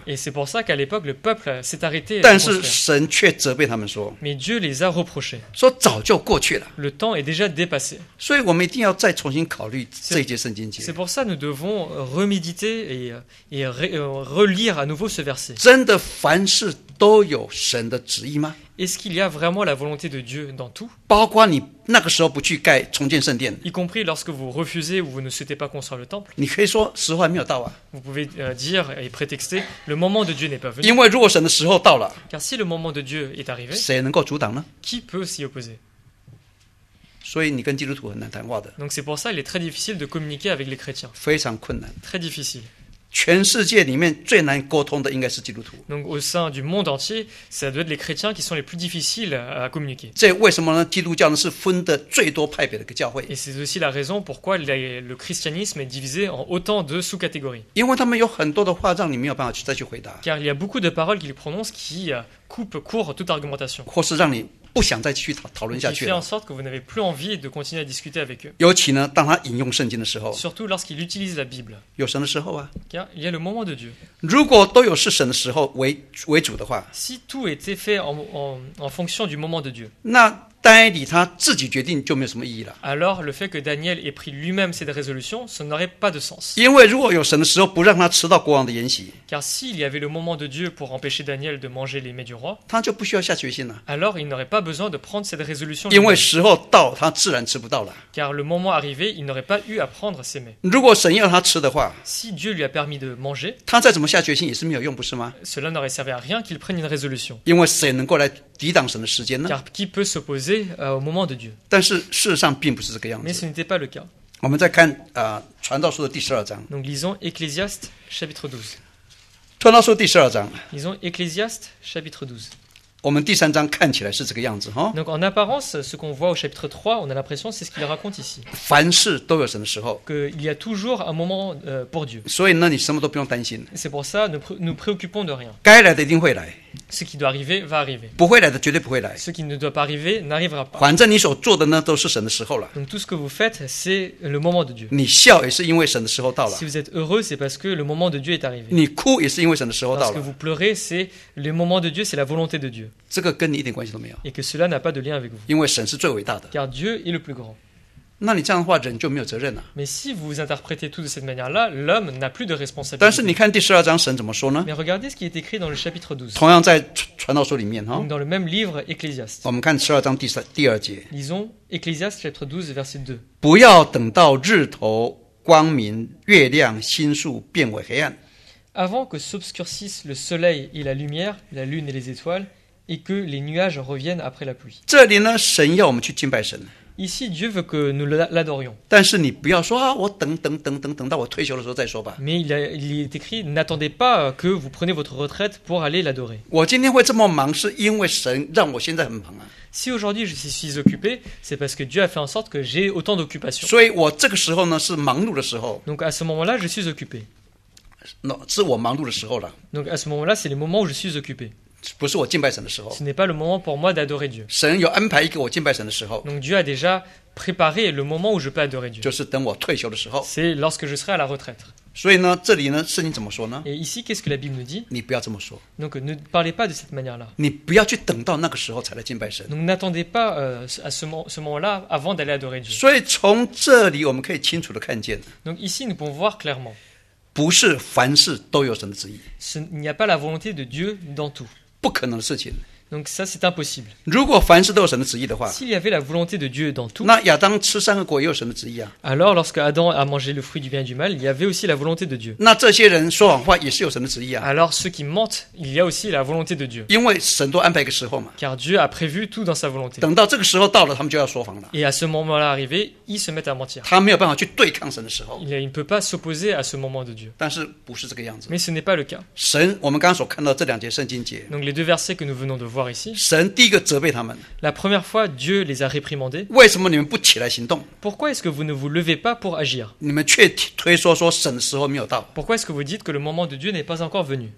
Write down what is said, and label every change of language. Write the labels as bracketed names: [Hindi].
[French] Et c'est pour ça qu'à l'époque le peuple s'est arrêté. [Chinese] 但是神却责备他们说。 [French] Mais Dieu les a reprochés. [Chinese] 说早就过去了。 [French] Le temps est déjà dépassé. [Chinese] 所以我们一定要再重新考虑这一节圣经节。 [French] C'est pour ça que nous devons reméditer et relire. À nouveau ce verset. [Chinese] 真的凡事都有神的旨意吗？ [French] Est-ce qu'il y a vraiment la volonté de Dieu dans tout? [Chinese] 包括你那个时候不去盖重建圣殿， [French] y compris lorsque vous refusez ou vous ne souhaitez pas construire le temple. [Chinese] 你可以说时候还没有到啊。 [French] Vous pouvez dire et prétexter le moment de Dieu n'est pas venu. [Chinese] 因为如果神的时候到了， [French] car si le moment de Dieu est arrivé, [Chinese] 谁能够阻挡呢？ [French] Qui peut s'y opposer? [Chinese] 所以你跟基督徒很难谈话的。 [French] Donc c'est pour ça qu'il est très difficile de communiquer avec les chrétiens. [Chinese] 非常困难。 [French] Très difficile. [Chinese] 全世界里面最难沟通的应该是基督徒。 [French] Donc au sein du monde entier, ça doit être les chrétiens qui sont les plus difficiles à communiquer. [Chinese] 这为什么呢？基督教呢是分的最多派别的个教会。 [French] Et c'est aussi la raison pourquoi le christianisme est divisé en autant de sous-catégories. [Chinese] 因为他们有很多的话让你没有办法再去回答。 [French] Car il y a beaucoup de paroles qu'ils prononcent qui coupent court toute argumentation. [Chinese] 或是让你不想再继续讨论下去了。 [French] Qui fait en sorte que vous n'avez plus envie de continuer à discuter avec eux. [Chinese] 尤其呢，当他引用圣经的时候。 [French] Surtout lorsqu'il utilise la Bible. [Chinese] 有神的时候啊。 [French] Car il y a le moment de Dieu. [Chinese] 如果都有是神的时候为主的话。 [French] Si tout était fait en fonction du moment de Dieu. [Chinese] 那丹尼他自己决定就没有什么意义了。 [French] Alors le fait que Daniel ait pris lui-même cette résolution, ça n'aurait pas de sens. [Chinese] 因为如果有神的时候不让他吃到国王的筵席。 [French] Car s'il y avait le moment de Dieu pour empêcher Daniel de manger les mets du roi, [Chinese] 他就不需要下决心了。 [French] Alors il n'aurait pas besoin de prendre cette résolution. [Chinese] 因为时候到他自然吃不到了。 [French] Car le moment arrivé, il n'aurait pas eu à prendre ces mets. [Chinese] 如果神要他吃的话。 [French] Si Dieu lui a permis de manger, [Chinese] 他再怎么下决心也是没有用，不是吗？ [French] Cela n'aurait servi à rien qu'il prenne une résolution. [Chinese] 因为谁能够来抵挡神的时间呢？ [French] Car qui peut s'opposer? Au moment de Dieu. [Chinese] 但是事实上并不是这个样子。 [French] Mais ce n'était pas le cas. [Chinese] 我们再看传道书的第十二章。 [French] Donc lisons Ecclésiaste chapitre 12. [Chinese] 传道书第十二章。 [French] Lisons Ecclésiaste chapitre 12. [Chinese] 我们第三章看起来是这个样子哈。 [French] Donc en apparence, ce qu'on voit au chapitre 3, on a l'impression c'est ce qu'il raconte ici. [Chinese] 凡事都有神的时候。 [French] Qu'il y a toujours un moment pour Dieu. [Chinese] 所以呢，你什么都不用担心。 [French] C'est pour ça, nous préoccupons de rien. [Chinese] 该来的一定会来。 [French] Ce qui doit arriver va arriver. [Chinese] 不会来的绝对不会来。 [French] Ce qui ne doit pas arriver n'arrivera pas. [Chinese] 反正你所做的呢都是神的时候了。 [French] Donc tout ce que vous faites c'est le moment de Dieu. [Chinese] 你笑也是因为神的时候到了。 [French] Si vous êtes heureux c'est parce que le moment de Dieu est arrivé. [Chinese] 你哭也是因为神的时候到了。 [French] Lorsque vous pleurez c'est le moment de Dieu, c'est la volonté de Dieu. [Chinese] 这个跟你一点关系都没有。 [French] Et que cela n'a pas de lien avec vous. [Chinese] 因为神是最伟大的。 [French] Car Dieu est le plus grand. [Chinese] 那你这样的话人就没有责任了。 [French] Mais si vous interprétez tout de cette manière-là, l'homme n'a plus de responsabilité. [Chinese] 但是你看第十二章神怎么说呢？ [French] Mais regardez ce qui est écrit dans le chapitre 12. [Chinese] 同样在传道书里面。 [French] Donc dans le même livre, Ecclésiaste. [Chinese] 我们看十二章第二节。 [French] Lisons Ecclésiaste chapitre 12, verset 2. [Chinese] 不要等到日头光明，月亮星宿变为黑暗。 [French] Avant que s'obscurcissent le soleil et la lumière, la lune et les étoiles, et que les nuages reviennent après la pluie. [Chinese] 这里呢，神要我们去敬拜神。 [French] Ici, Dieu veut que nous l'adorions. [Chinese] 但是你不要说啊，我等等等等等到我退休的时候再说吧。 [French] Mais il est écrit, n'attendez pas que vous preniez votre retraite pour aller l'adorer. [Chinese] 我今天会这么忙，是因为神让我现在很忙啊。 [French] Si aujourd'hui je suis occupé, c'est parce que Dieu a fait en sorte que j'ai autant d'occupations. [Chinese] 所以我这个时候呢是忙碌的时候。 [French] Donc à ce moment-là, je suis occupé. [Chinese] Non, 是我忙碌的时候了。 [French] Donc à ce moment-là, c'est le moment où je suis occupé. [Chinese] 不是我敬拜神的时候。 [French] Ce n'est pas le moment pour moi d'adorer Dieu. [Chinese] 神有安排一个我敬拜神的时候。 [French] Donc Dieu a déjà préparé le moment où je peux adorer Dieu. [Chinese] 就是等我退休的时候。 [French] C'est lorsque je serai à la retraite. [Chinese] 所以呢，这里呢，圣经怎么说呢？ [French] Et ici, qu'est-ce que la Bible nous dit? [Chinese] 你不要这么说。 [French] Donc ne parlez pas de cette manière-là. [Chinese] 你不要去等到那个时候才来敬拜神。 [French] Donc n'attendez pas à ce moment-là avant d'aller adorer Dieu. [Chinese] 所以从这里我们可以清楚的看见。 [French] Donc ici, nous pouvons voir clairement. [Chinese] 不是凡事都有神的旨意。 [French] Il n'y a pas la volonté de Dieu dans tout. [Chinese] 不可能的事情。 [French] Donc ça, c'est impossible. [Chinese] 如果凡事都有神的旨意的话, [French] s'il y avait la volonté de Dieu dans tout, [Chinese] 那亚当吃三个果也有神的旨意啊。 [French] Alors, lorsque Adam a mangé le fruit du bien et du mal, il y avait aussi la volonté de Dieu. [Chinese] 那这些人说谎话也是有神的旨意啊。 [French] Alors, ceux qui mentent, il y a aussi la volonté de Dieu. [Chinese] 因为神都安排一个时候嘛。 [French] Car Dieu a prévu tout dans sa volonté. [Chinese] 等到这个时候到了，他们就要说谎了。 [French] Et à ce moment-là arrivé, ils se mettent à mentir. [Chinese] 他没有办法去对抗神的时候。 [French] Il ne peut pas s'opposer à ce moment de Dieu. [Chinese] 但是不是这个样子。 [French] Mais ce n'est pas le cas. [Chinese] 神，我们刚刚所看到这两节圣经节。 [French] Donc les deux versets que nous venons de voir ici, [Chinese] 神第一个责备他们。 [French] La première fois, Dieu les a réprimandés. [Chinese] 为什么你们不起来行动？ [French] Pourquoi est-ce que vous ne vous levez pas pour agir? [Chinese] 你们却推说说神的时候没有到。 [French] Pourquoi est-ce que vous dites que le moment de Dieu n'est pas encore venu?